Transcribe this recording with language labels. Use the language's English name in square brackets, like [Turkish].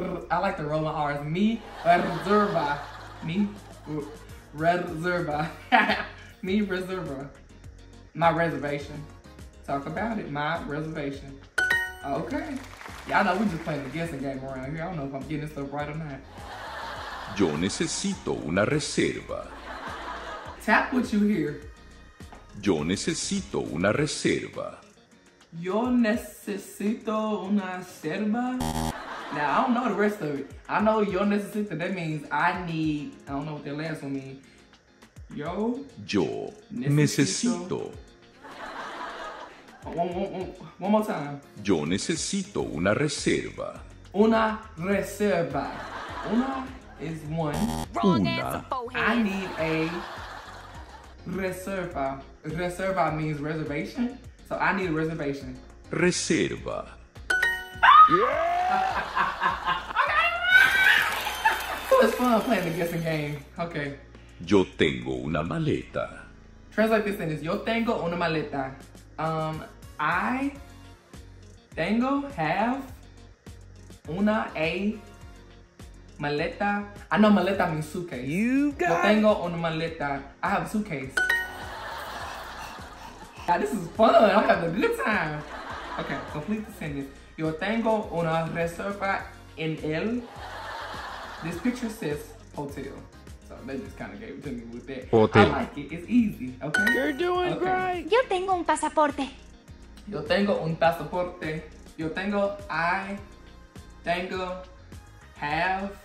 [English] I like the Roman R's. [Spanish] Mi reserva. Mi reserva. Mi reserva. [English] My reservation. Talk about it. My reservation. Okay. Y'all know we just playing the guessing game around here. I don't know if I'm getting this stuff right or not. [Spanish] Yo necesito una reserva. [English] Tap what you hear. [Spanish] Yo necesito una reserva. Yo necesito una reserva. [English] Now, I don't know the rest of it. I know [Spanish] yo necesito, [English] that means I need, I don't know what that last one means. [Spanish] Yo. Yo necesito. One more time. Yo necesito una reserva. Una reserva. Una [English] is one. [Spanish] Una. [English] I need a reserva. Reserva means reservation. So I need a reservation. [Spanish] Reserva. [English] Yeah. Okay. It's fun playing the guessing game. Okay. [Spanish] Yo tengo una maleta. [English] Translate this thing as [Spanish] yo tengo una maleta. [English] I tengo have una a maleta. I know maleta means suitcase. You got [Spanish] yo tengo una maleta. [English] I have a suitcase. Now, this is fun. I'm having a good time. Okay, complete the sentence. [Spanish] Yo tengo una reserva en el. [English] This picture says hotel. So they just kind of gave it to me with that. Hotel. I like it. It's easy. Okay. You're doing great. [Spanish] Yo tengo un pasaporte. Yo tengo un pasaporte. Yo tengo. I tengo. Have.